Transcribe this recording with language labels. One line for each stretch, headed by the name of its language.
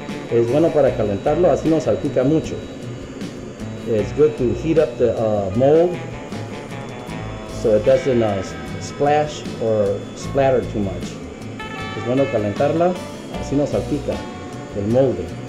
Spanish: Es bueno para calentarlo, así no salpica mucho.
English: It's good to heat up the mold so it doesn't splash or splatter too much.
Spanish: Es bueno calentarla, así no salpica el molde.